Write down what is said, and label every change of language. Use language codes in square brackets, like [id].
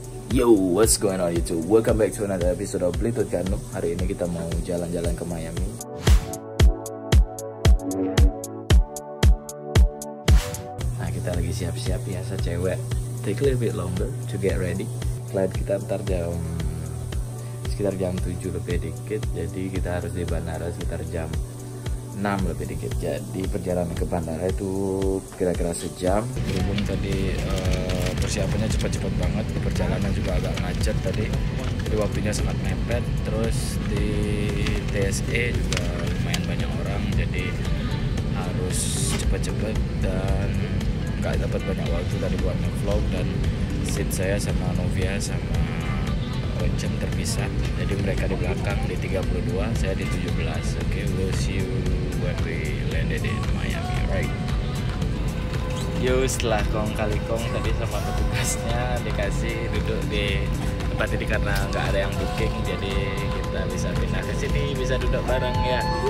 [en] Yo, what's going on YouTube? Welcome back to another episode of Blink with Kano. [id] Hari ini kita mau jalan-jalan ke Miami. Nah, kita lagi siap-siap ya, sa cewek. [en] Take a little bit longer to get ready. [id] Flight kita ntar jam sekitar jam 7 lebih dikit. Jadi kita harus di bandara sekitar jam 6 lebih dikit. Jadi perjalanan ke bandara itu kira-kira sejam. Berhubung tadi persiapannya cepat-cepat banget, perjalanan juga agak macet tadi, jadi waktunya sangat mepet. Terus di TSA juga lumayan banyak orang, jadi harus cepat-cepat dan gak dapat banyak waktu tadi buat nge-vlog. Dan seat saya sama Novia sama Ocean terpisah, jadi mereka di belakang di 32, saya di 17. [en] Okay, we'll see you when we landed in Miami, right? [id] Yo, setelah kong kali kong tadi sama petugasnya dikasih duduk di tempat ini karena nggak ada yang booking, jadi kita bisa pindah ke sini, bisa duduk bareng ya.